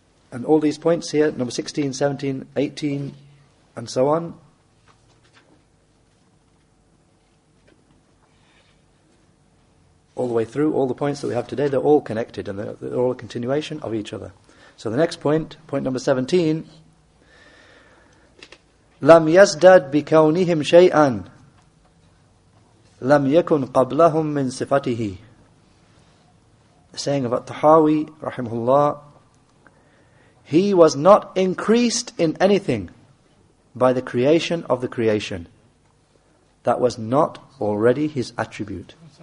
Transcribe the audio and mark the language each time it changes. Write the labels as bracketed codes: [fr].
[en] And all these points here, number 16, 17, 18, and so on, all the way through, all the points that we have today, they're all connected and they're all a continuation of each other. So the next point, point number 17, [ar] لَمْ يَزْدَدْ بِكَوْنِهِمْ شَيْئًا لَمْ يَكُنْ قَبْلَهُمْ مِنْ صِفَتِهِ. [en] The saying of At-Tahawi, rahimahullah, he was not increased in anything by the creation of the creation. That was not already his attribute.